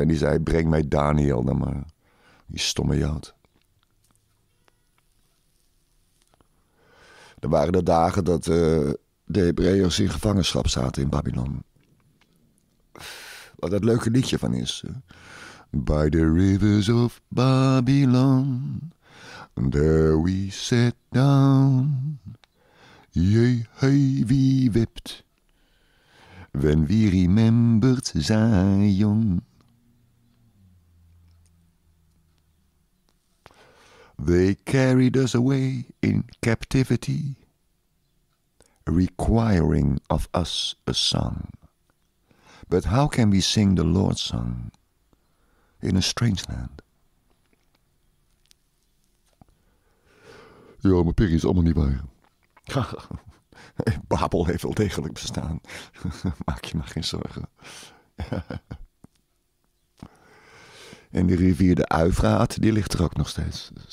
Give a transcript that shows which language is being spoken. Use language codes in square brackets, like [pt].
[nl] En die zei, breng mij Daniel dan maar. Die stomme jood. Er waren de dagen dat de Hebreeërs in gevangenschap zaten in Babylon. Wat dat leuke liedje van is. [en] By the rivers of Babylon, there we sat down. Jehei, wie wept, when we remembered Zion. They carried us away in captivity, requiring of us a song. But how can we sing the Lord's song in a strange land? [nl] Ja, mijn pikkie is allemaal niet waar. Babel heeft wel degelijk bestaan. Maak je maar geen zorgen. En de rivier de Eufraat, die ligt er ook nog steeds.